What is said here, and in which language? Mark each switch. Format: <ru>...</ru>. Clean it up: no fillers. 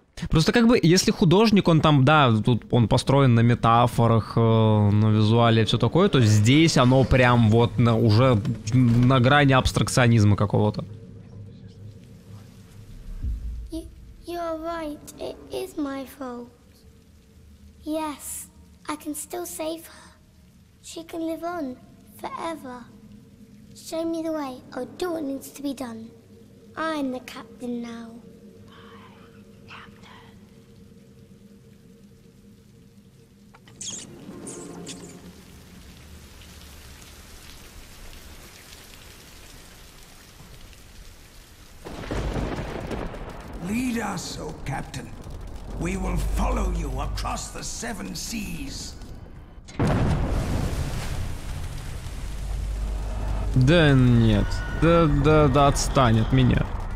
<ru>Просто как бы, если художник, он там, да, тут он построен на метафорах, на визуале и все такое, то здесь оно прям вот на, уже на грани абстракционизма какого-то.</ru> <en>You're right, it is my fault. Yes, I can still save her. She can live on forever. Show me the way. I'll do what needs to be done. I'm the captain now. Lead us, O captain. We will follow you across the seven seas.</en> <ru>Да нет, да отстань от меня.</ru>